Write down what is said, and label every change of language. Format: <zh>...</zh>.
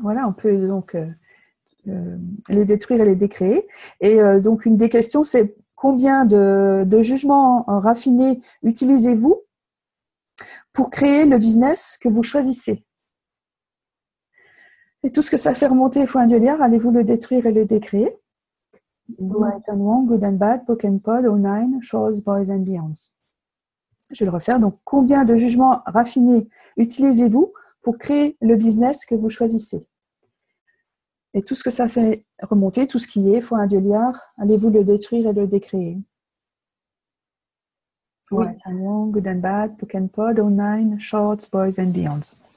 <fr>Voilà, on peut donc les détruire et les décréer. Et donc, une des questions, c'est combien de jugements raffinés utilisez-vous pour créer le business que vous choisissez? Et tout ce que ça fait remonter, il faut un délire, allez-vous le détruire et le décréer?</fr> <en>Right and wrong, good and bad, book and pod, all nine, shows, boys and beyonds.</en> <fr>Je vais le refaire. Donc, combien de jugements raffinés utilisez-vous pour créer le business que vous choisissez? Et tout ce que ça fait remonter, tout ce qui est, fois un dieu liard, allez-vous le détruire et le décréer? Oui.</fr> <en>Right and wrong, good and bad, book and pod, all nine, shorts, boys and beyonds.</en>